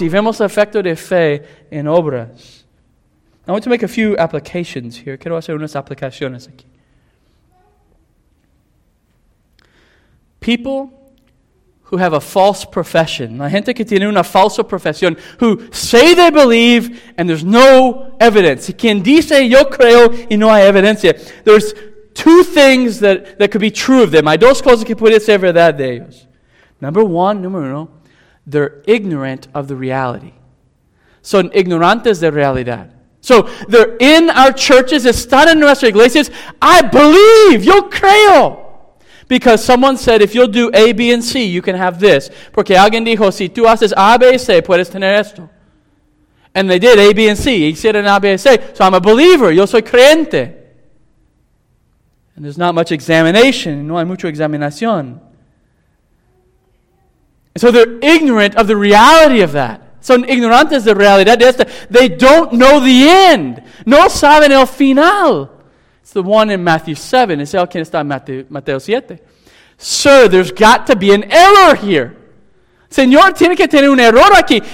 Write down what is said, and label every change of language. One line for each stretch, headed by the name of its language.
Spanish: Y vemos el efecto de fe en obras.
English: I want to make a few applications here.
Spanish: Quiero hacer unas aplicaciones aquí.
English: People who have a false profession,
Spanish: la gente que tiene una falsa profesión,
English: who say they believe and there's no evidence.
Spanish: Quien dice yo creo y no hay evidencia.
English: There's 2 things that could be true of them.
Spanish: Hay 2 cosas que puede ser verdad de ellos.
English: Number 1, they're ignorant of the reality.
Spanish: Son ignorantes de realidad.
English: So they're in our churches,
Spanish: están en nuestras iglesias.
English: I believe,
Spanish: yo creo.
English: Because someone said, if you'll do A, B, and C, you can have this.
Spanish: Porque alguien dijo, si tú haces A, B, C, puedes tener esto.
English: And they did A, B, and C.
Spanish: Hicieron A, B, C.
English: So I'm a believer,
Spanish: yo soy creyente.
English: And there's not much examination.
Spanish: No hay mucho examinación.
English: And so they're ignorant of the reality of that.
Spanish: Son ignorantes de realidad de esta.
English: They don't know the end.
Spanish: No saben el final.
English: It's the one in Matthew 7.
Spanish: Es el que está en Mateo 7.
English: Sir, there's got to be an error here.
Spanish: Señor, tiene que tener un error aquí.